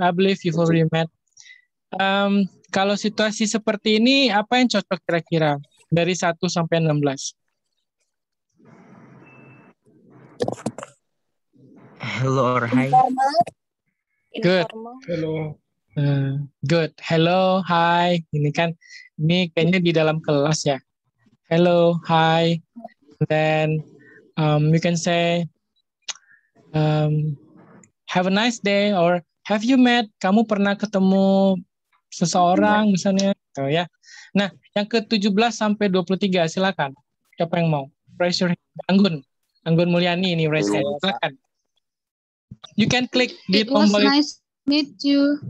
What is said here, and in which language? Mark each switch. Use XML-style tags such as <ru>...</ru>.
<en>I believe you've already met.</en> <id>Kalau situasi seperti ini, apa yang cocok kira-kira dari 1 sampai 16?</id> <en>Hello or hi. Good. Hello. Good. Hello, hi.</en> <id>Ini kan, ini kayaknya di dalam kelas ya.</id> <en>Hello, hi. Then you can say, have a nice day, or have you met?</en> <id>Kamu pernah ketemu seseorang misalnya? Oh ya. Nah, yang ke 17 sampai 23 silakan. Siapa yang mau?</id> <en>Raise your hand.</en> <id>Anggun, Anggun Mulyani ini raise hand. Silakan.</id> <en>You can click</en> <id>di tombol.</id> <en>It was nice meet you.</en>